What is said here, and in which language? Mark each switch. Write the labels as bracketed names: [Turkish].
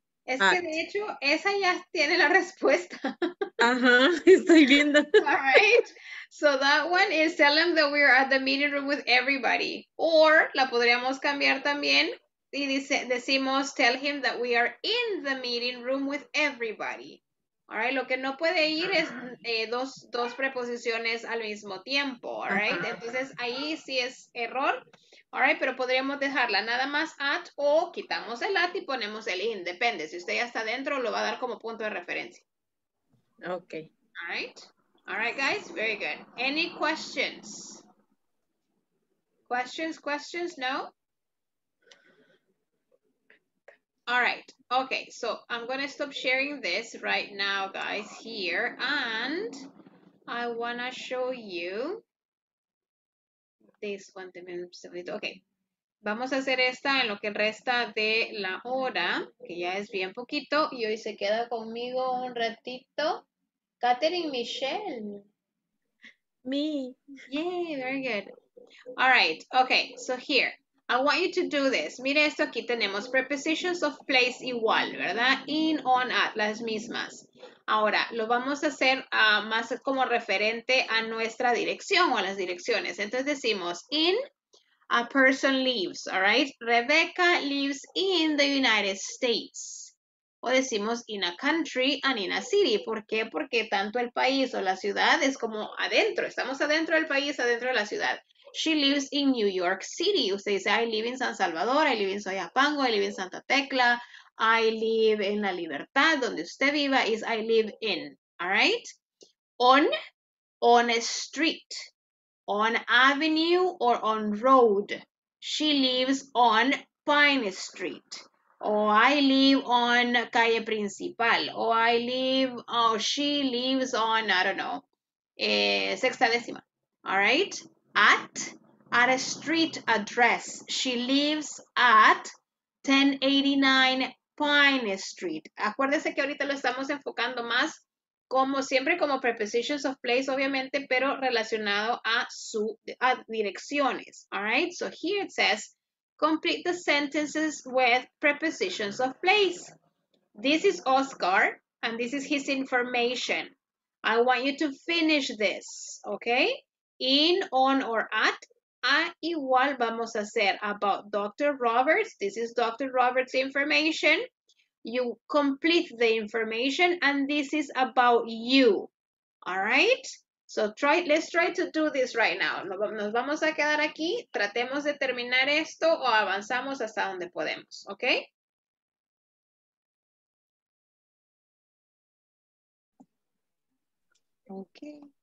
[Spanish] Es que de hecho, esa ya tiene la respuesta. Ajá, estoy viendo. [English] All right. So that one is tell them that we are at the meeting room with everybody. Or [Spanish] la podríamos cambiar también y dice, decimos [English] tell him that we are in the meeting room with everybody. All right, [Spanish] lo que no puede ir es dos preposiciones al mismo tiempo. [English] All right, [Spanish] entonces ahí sí es error. All right, pero podríamos dejarla nada más at o quitamos el at y ponemos el in. Depende, si usted ya está dentro, lo va a dar como punto de referencia. [English] Okay. All right, guys, very good. Any questions? Questions, no? All right. Okay, so I'm going to stop sharing this right now, guys, here. And I want to show you this one. [Spanish] Okay, vamos a hacer esta en lo que resta de la hora, que ya es bien poquito. Y hoy se queda conmigo un ratito. Katherine Michelle. [English] Me. Yay, very good. All right, okay, so here. I want you to do this. [Spanish] Mire esto, aquí tenemos prepositions of place igual, ¿verdad? In, on, at, las mismas. Ahora, lo vamos a hacer más como referente a nuestra dirección o a las direcciones. Entonces decimos, [English] in, a person lives, all right? Rebecca lives in the United States. [Spanish] O decimos, [English] in a country and in a city. [Spanish] ¿Por qué? Porque tanto el país o la ciudad es como adentro. Estamos adentro del país, adentro de la ciudad. [English] She lives in New York City. [Spanish] Usted dice, [English] I live in San Salvador, I live in Soyapango, I live in Santa Tecla, I live in La Libertad, [Spanish] donde usted viva, [English] is I live in, all right? On a street, on avenue or on road. She lives on Pine Street. Oh, I live on calle principal. Oh, I live, oh, she lives on, I don't know, sexta décima, all right? At a street address. She lives at 1089 Pine Street. [Spanish] Acuérdese que ahorita lo estamos enfocando más como siempre como prepositions of place, obviamente, pero relacionado a su a direcciones. [English] All right, so here it says, complete the sentences with prepositions of place. This is Oscar, and this is his information. I want you to finish this, okay? In, on, or at, [Spanish] a igual vamos a hacer [English] about Dr. Roberts. This is Dr. Roberts' information. You complete the information, and this is about you. All right? So let's try to do this right now. [Spanish] Nos vamos a quedar aquí. Tratemos de terminar esto o avanzamos hasta donde podemos, okay? [English] Okay.